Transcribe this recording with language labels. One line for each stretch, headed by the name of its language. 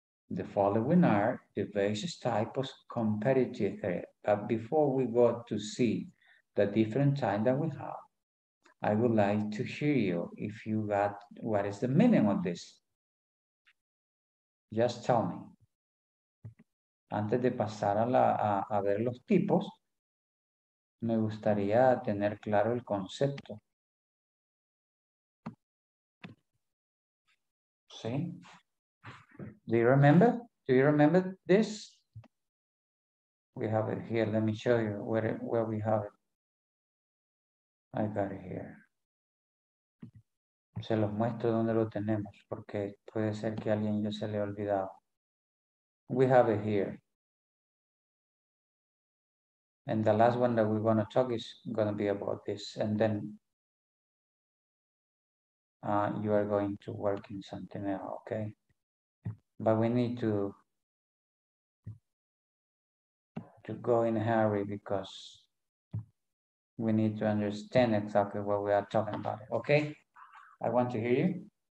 English: The following are the various types of competitive threat. But before we go to see the different time that we have, I would like to hear you if you got what is the meaning of this. Just tell me.
Spanish: Antes de pasar a ver los tipos, me gustaría tener claro el concepto.
English: ¿Sí? Do you remember? Do you remember this? We have it here. Let me show you where we have it. I got it here.
Spanish: Se los muestro donde lo tenemos, porque puede ser que alguien ya se le ha olvidado.
English: We have it here. And the last one that we're going to talk is going to be about this. And then you are going to work in something else, okay? But we need to go in a hurry because we need to understand exactly what we are talking about, okay? I want to hear you.